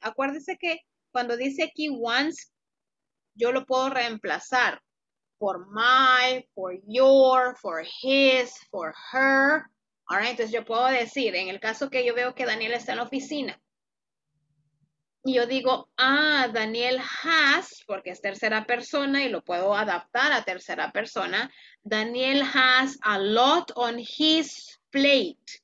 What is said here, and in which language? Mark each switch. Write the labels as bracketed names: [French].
[Spanish] Acuérdese que cuando dice aquí once, yo lo puedo reemplazar. [English] For my, for your, for his, for her. All right, [Spanish] entonces yo puedo decir, en el caso que yo veo que Daniel está en la oficina, y yo digo, ah, [English] Daniel has, [Spanish] porque es tercera persona y lo puedo adaptar a tercera persona, [English] Daniel has a lot on his plate.